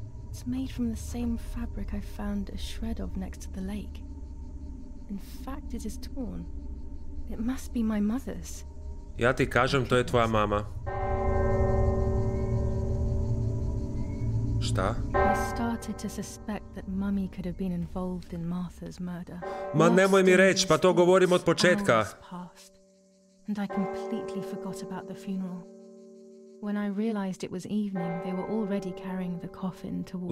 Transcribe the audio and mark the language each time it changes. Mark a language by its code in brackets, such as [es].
[en] It's made from the same fabric I found a shred of next to the lake. In fact, it is torn. It must be my mother's. [hr] Ja ti kažem, to je tvoja mama. Šta? [en] I started to suspect that mummy could have been involved in Martha's murder. [hr] Ma nemoj mi reći, pa to govorim od početka. [en] And I completely forgot about the funeral. When I realized it was evening, they were already carrying the coffin towards